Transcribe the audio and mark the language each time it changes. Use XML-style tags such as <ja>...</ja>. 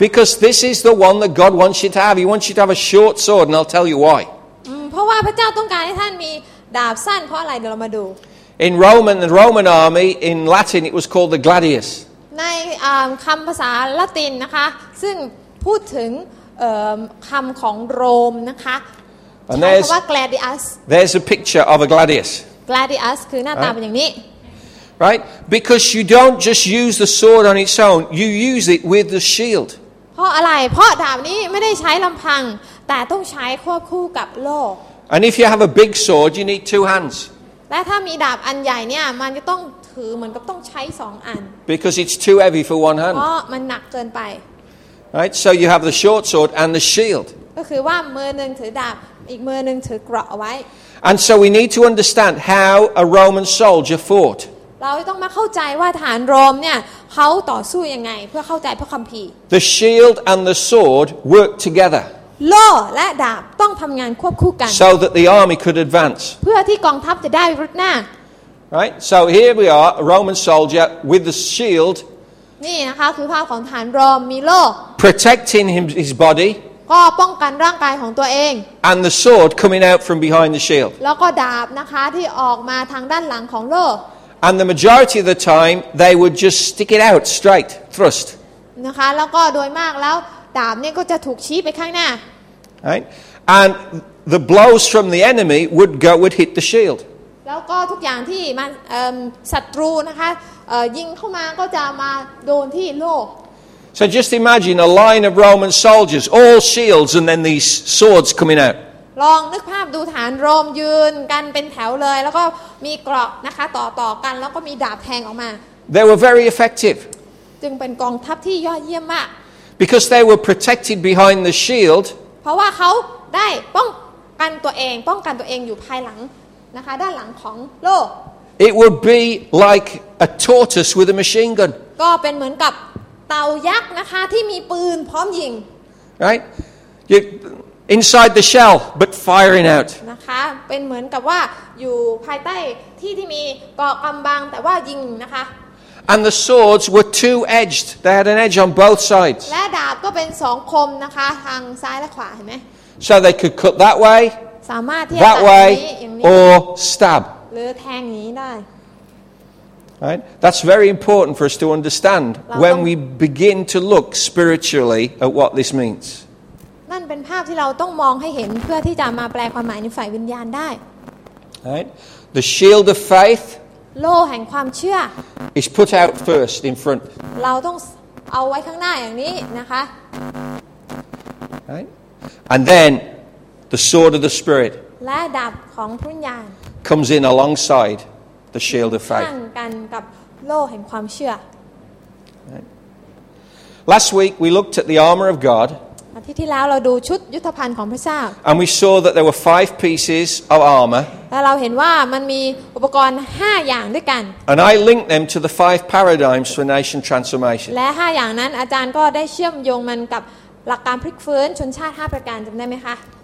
<en>Because this is the one that God wants you to have. He wants you to have a short sword, and I'll tell you why.</en> <th>เพราะว่าพระเจ้าต้องการให้ท่านมีดาบสั้นเพราะอะไรเดี๋ยวเรามาดู</th> <en>In Roman, the Roman army, in Latin, it was called the gladius.</en> <th>ในคำภาษาละตินนะคะซึ่งพูดถึงคำของโรมนะคะใช้คำว่า gladius.</th> <en>There's a picture of a gladius.</en> <th>Gladius คือหน้าตาเป็นอย่างนี้</th> <en>Right? Because you don't just use the sword on its own. You use it with the shield.</en> <th>เพราะอะไรเพราะดาบนี้ไม่ได้ใช้ลำพังแต่ต้องใช้ควบคู่กับโล่</th> <en>And if you have a big sword, you need two hands.</en> <th>และถ้ามีดาบอันใหญ่เนี่ยมันจะต้องถือเหมือนกับต้องใช้สองอัน</th> <en>Because it's too heavy for one hand</en> <th>เพราะมันหนักเกินไป</th> <en>Right so you have the short sword and the shield</en> <th>ก็คือว่ามือนึงถือดาบอีกมือนึงถือเกราะเอาไว้</th> <en>And so we need to understand how a Roman soldier fought</en> <th>เราต้องมาเข้าใจว่าทหารโรมเนี่ยเขาต่อสู้ยังไงเพื่อเข้าใจพระคัมภีร์</th> <en>The shield and the sword work together</en> <th>โล่และดาบต้องทำงานควบคู่กัน</th> <en>so that the army could advance</en> <th>เพื่อที่กองทัพจะได้รุดหน้า</th> <en>right so here we are a Roman soldier with the shield</en> <th>นี่นะคะคือภาพของทหารโรมมีโล่</th> <en>protecting his body</en> <th>ก็ป้องกันร่างกายของตัวเอง</th> <en>and the sword coming out from behind the shield</en> <th>แล้วก็ดาบนะคะที่ออกมาทางด้านหลังของโล่</th> <en>and the majority of the time they would just stick it out straight thrust</en> <th>นะคะแล้วก็โดยมากแล้วดาบเนี่ยก็จะถูกชี้ไปข้างหน้า</th> <en>Right and the blows from the enemy would hit the shield</en> <th>แล้วก็ทุกอย่างที่มันศัตรูนะคะยิงเข้ามาก็จะมาโดนที่โล่</th> <en>So just imagine a line of Roman soldiers all shields and then these swords coming out</en> <th>ลองนึกภาพดูฐานโรมยืนกันเป็นแถวเลยแล้วก็มีเกราะนะคะต่อกันแล้วก็มีดาบแทงออกมา</th> <en>They were very effective</en> <th>จึงเป็นกองทัพที่ยอดเยี่ยมมาก</th> <en>Because they were protected behind the shield.</en> <th>เพราะว่าเขาได้ป้องกันตัวเองป้องกันตัวเองอยู่ภายหลังนะคะด้านหลังของโล่</th> <en>It would be like a tortoise with a machine gun.</en> <th>ก็เป็นเหมือนกับเต่ายักษ์นะคะที่มีปืนพร้อมยิง</th> <en>Right? You inside the shell but firing out.</en> <th>นะคะเป็นเหมือนกับว่าอยู่ภายใต้ที่ที่มีเกราะกำบังแต่ว่ายิงนะคะ</th> <en>And the swords were two-edged. They had an edge on both sides.</en> <th>และดาบก็เป็นสองคมนะคะทางซ้ายและขวาเห็นไหม</th> <en>So they could cut that way,</en> <th>สามารถที่ จะ ตัดนี้อย่างนี้</th> <en>or stab.</en> <th>หรือแทงนี้ได้</th> <en>Right? That's very important for us to understand when we begin to look spiritually at what this means.</en> <th>นั่นเป็นภาพที่เราต้องมองให้เห็นเพื่อที่จะมาแปลความหมายในฝ่ายวิญญาณได้</th> <en>Right? The shield of faith.</en> <th>โล่แห่งความเชื่อ</th> <en>is put out first in front</en> <th>เราต้องเอาไว้ข้างหน้าอย่างนี้นะคะ</th> <en>right and then the sword of the spirit</en> <th>และดาบของพระวิญญาณ</th> <en>comes in alongside the shield of faith</en> <th>ข้างกันกับโล่แห่งความเชื่อ</th> <en>last week we looked at the armor of God</en> <th>อาทิตย์ที่แล้วเราดูชุดยุทธภัณฑ์ของพระเจ้า</th> <en>and we saw that there were 5 pieces of armor</en> <th>แล้วเราเห็นว่ามันมีอุปกรณ์5อย่างด้วยกัน</th> <en>And I link them to the 5 paradigms for nation transformation</en> <th>และ5อย่างนั้นอาจารย์ก็ได้เชื่อมโยงมันกับหลักการพลิกฟื้นชนชาติ5ประการจำได้ไหมคะ</th>